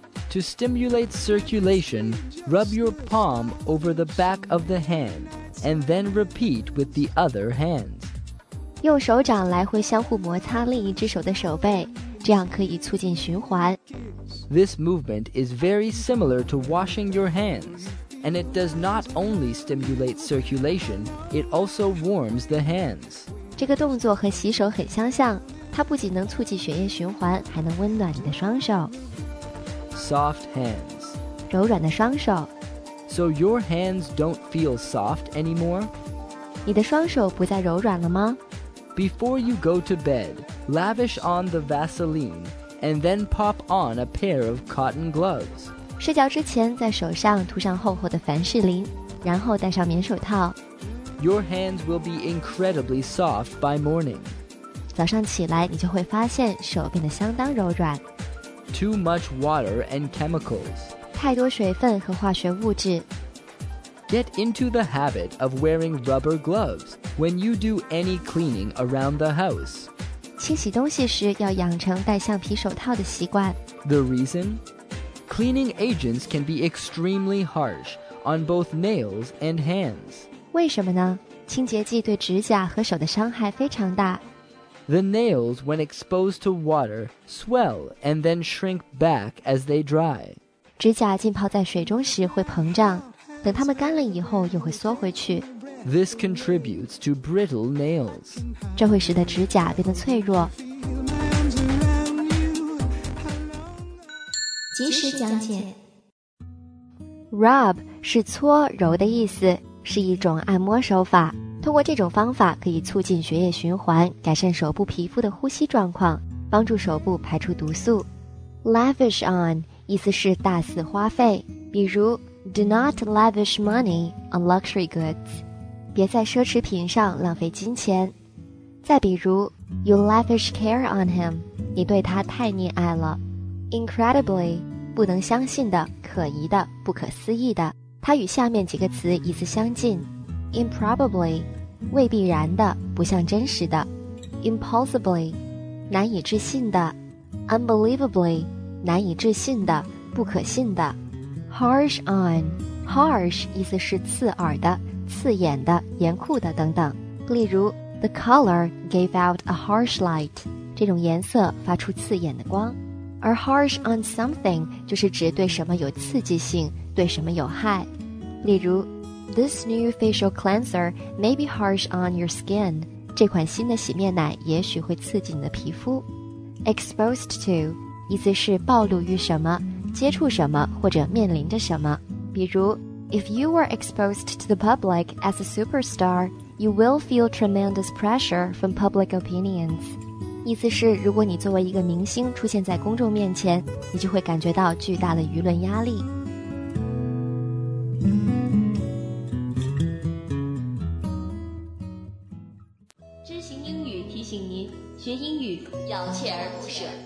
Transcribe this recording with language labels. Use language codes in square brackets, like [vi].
[en] To stimulate circulation, rub your palm over the back of the hand, and then repeat with the other hand. [zh] 用手掌来回相互摩擦另一只手的手背，这样可以促进循环。 [en] This movement is very similar to washing your hands, and it does not only stimulate circulation, it also warms the hands. [zh] 这个动作和洗手很相像，它不仅能促进血液循环，还能温暖你的双手。 [en] Soft hands. [zh] 柔软的双手。 [en] So your hands don't feel soft anymore? [zh] 你的双手不再柔软了吗? [en] Before you go to bed, lavish on the Vaseline and then pop on a pair of cotton gloves. [zh] 睡觉之前在手上涂上厚厚的凡士林，然后戴上棉手套。 [en] Your hands will be incredibly soft by morning. [zh] 早上起来你就会发现手变得相当柔软。 [en] Too much water and chemicals. [zh] 太多水分和化学物质。 [en] Get into the habit of wearing rubber gloves when you do any cleaning around the house. [zh] 清洗东西时要养成戴橡皮手套的习惯。 [en] The reason? Cleaning agents can be extremely harsh on both nails and hands. [zh] 为什么呢？清洁剂对指甲和手的伤害非常大。 [en] The nails, when exposed to water, swell and then shrink back as they dry. [zh] 指甲浸泡在水中时会膨胀，等它们干了以后又会缩回去。 [en] This contributes to brittle nails. [zh] 这会使得指甲变得脆弱。及时讲解。 Rub 是搓揉的意思，是一种按摩手法。通过这种方法可以促进血液循环，改善手部皮肤的呼吸状况，帮助手部排出毒素。 Lavish on 意思是大肆花费，比如 [en] Do not lavish money on luxury goods， [zh] 别在奢侈品上浪费金钱。再比如 [en] You lavish care on him， [zh] 你对他太溺爱了。 Incredibly， 不能相信的，可疑的，不可思议的，它与下面几个词意思相近。 Improbably， 未必然的，不像真实的。 Impossibly， 难以置信的。Unbelievably， 难以置信的，不可信的。 Harsh on， harsh 意思是刺耳的、刺眼的、严酷的等等。例如 ， [en] The color gave out a harsh light， [zh] 这种颜色发出刺眼的光。而 harsh on something 就是指对什么有刺激性，对什么有害。 [en] 例如 This new facial cleanser may be harsh on your skin. [zh] 这款新的洗面奶也许会刺激你的皮肤。Exposed to 意思是暴露于什么，接触什么，或者面临着什么。 [en] 比如 If you were exposed to the public as a superstar, you will feel tremendous pressure from public opinions. [zh] 意思是如果你作为一个明星出现在公众面前，你就会感觉到巨大的舆论压力。知行英语提醒您，学英语要锲而不舍。